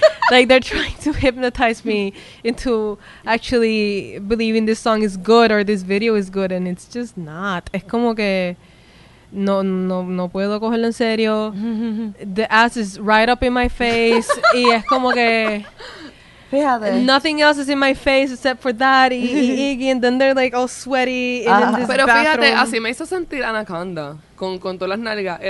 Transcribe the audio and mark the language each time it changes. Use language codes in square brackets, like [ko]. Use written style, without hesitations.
[en] Like they're trying to hypnotize me into actually believing this song is good or this video is good, and it's just not. [es] Es como que no puedo cogerlo en serio. [en] The ass is right up in my face. [es] Y es como que fíjate. [en] Nothing else is in my face except for that y Iggy, and then they're like all sweaty in this bathroom. [es] Pero fíjate, así me hizo sentir Anaconda con todas las nalgas.